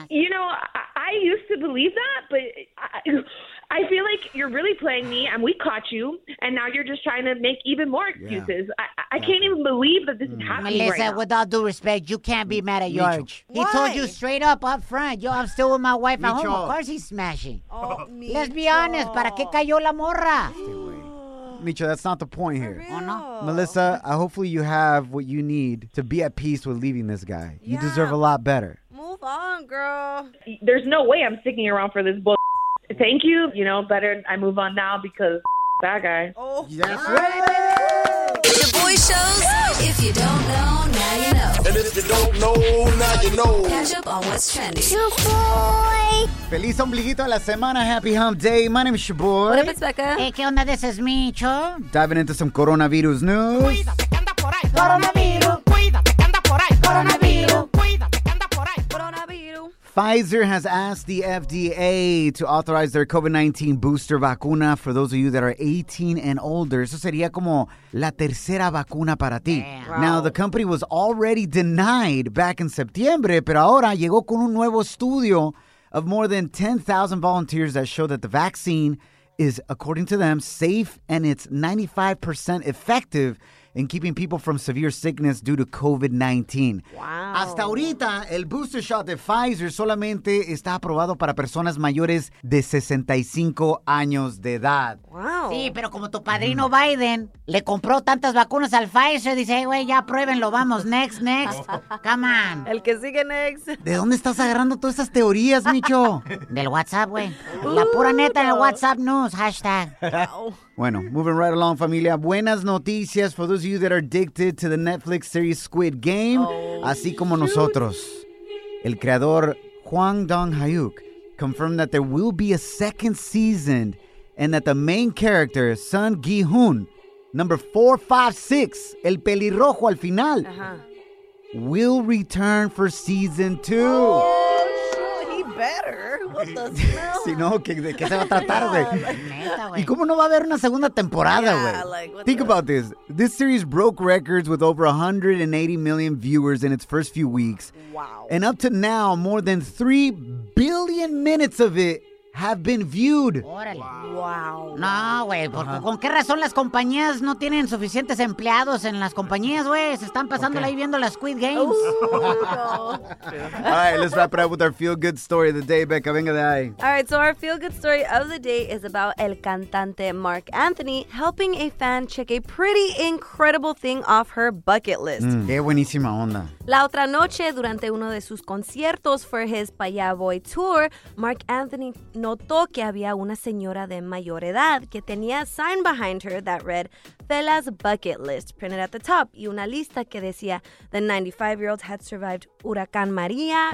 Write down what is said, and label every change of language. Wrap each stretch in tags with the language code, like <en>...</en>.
<en>You know, I used to believe that, but I feel like you're really playing me, and we caught you, and now you're just trying to make even more excuses. Yeah. I can't even believe that this is happening. Melissa, right now. With all due respect, you can't be mad at George. Why? He told you straight up front, yo, I'm still with my wife at home. Of course he's smashing. Oh, let's be honest,</en> <es>para que cayó la morra?</es> <en>Micho, that's not the point here. Oh, no. Melissa, hopefully you have what you need to be at peace with leaving this guy. Yeah. You deserve a lot better. Move on, girl. There's no way I'm sticking around for this bullshit. Thank you. You know, better I move on now because that guy. Oh, yes, right. Your boy shows. If you don't know, now you know. And if you don't know, now you know. Catch up on what's trending. Your boy.</en> <es>Feliz ombliguito a la semana.</es> <en>Happy hump day. My name is your boy. What up, it's Becca. Hey,</en> <es>¿qué onda?</es> <en>This is Micho. Diving into some coronavirus news.</en> <es>Cuídate, anda por ahí.</es> <en>Coronavirus.</en> <es>Cuídate, anda por ahí.</es> <en>Coronavirus. Pfizer has asked the FDA to authorize their COVID-19 booster vacuna for those of you that are 18 and older.</en> <es>Eso sería como la tercera vacuna para ti.</es> <en>Damn. Now, the company was already denied back in September,</en> <es>pero ahora llegó con un nuevo estudio</es> <en>of more than 10,000 volunteers that show that the vaccine is, according to them, safe and it's 95% effective in keeping people from severe sickness due to COVID-19. Wow.</en> <es>Hasta ahorita, el booster shot de Pfizer solamente está aprobado para personas mayores de 65 años de edad.</es> <en>Wow.</en> <es>Sí, pero como tu padrino Biden le compró tantas vacunas al Pfizer, dice, hey, güey, ya pruébenlo, vamos,</es> <en>next, next. Come on.</en> <es>El que sigue next. ¿De dónde estás agarrando todas esas teorías, Micho? Del WhatsApp, güey. La pura neta del WhatsApp news, hashtag.</es> <en>Bueno, moving right along, familia.</en> <es>Buenas noticias</es> <en>for those of you that are addicted to the Netflix series Squid Game. Oh,</en> <es>así como nosotros. El creador</es> <en>Hwang Dong-hyuk confirmed that there will be a second season and that the main character, Sun Gi-hun, number 456,</en> <es>el pelirrojo al final,</es> <en>will return for season 2. Oh, shoot, he better. What the smell?</en> <es>Si no, ¿qué se va a tratar de? Neta, güey. ¿Y cómo no va a haber una segunda temporada, güey?</es> <en>Yeah, like, think about this. This series broke records with over 180 million viewers in its first few weeks. Wow. And up to now, more than 3 billion minutes of it have been viewed.</en> <es>Órale.</es> <en>Wow.</en> <es>No, güey, ¿con qué razón las compañías no tienen suficientes empleados en las compañías, güey? Se están pasando ahí viendo las Squid Games.</es> <en>Ooh, no. All right, let's wrap it up with our feel-good story of the day, Becca.</en> <es>Venga de ahí.</es> <en>All right, so our feel-good story of the day is about</en> <es>el cantante</es> <en>Marc Anthony helping a fan check a pretty incredible thing off her bucket list.</en> <es>Mm, qué buenísima onda. La otra noche, durante uno de sus conciertos</es> <en>for his Paya Boy Tour,</en> <es>Marc Anthony notó que había una señora de mayor edad que tenía</es> <en>a sign behind her that read Fela's bucket list printed at the top</en> <es>y una lista que decía</es> <en>the 95-year-old had survived</en> <es>Huracán María,</es>